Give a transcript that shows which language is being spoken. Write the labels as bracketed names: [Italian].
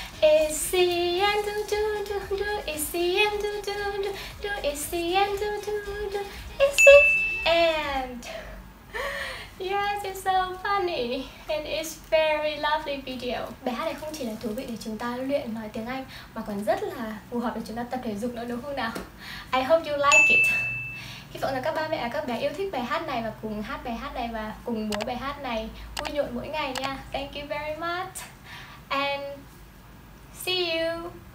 [English] It's the end do do do do, it's the end do do do do, it's the end do do do, it's the end. Yes, it's so funny and it's very lovely video. [Vietnamese] Bài hát này không chỉ là thú vị để chúng ta luyện nói tiếng Anh mà còn rất là phù hợp để chúng ta tập thể dục nữa đúng không nào? [English] I hope you like it. [Vietnamese] Hy vọng là các ba mẹ các bé yêu thích bài hát này và cùng hát bài hát này và cùng múa bài hát này vui nhộn mỗi ngày nha. [English] Thank you very much and see you.